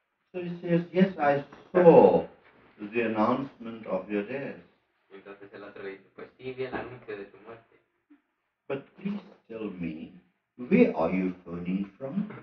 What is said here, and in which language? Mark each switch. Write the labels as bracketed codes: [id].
[en] So he says, yes, I saw the announcement of your death. [es] Entonces el otro dice, pues sí, vi el anuncio de tu muerte. [en] But please tell me, where are you phoning from?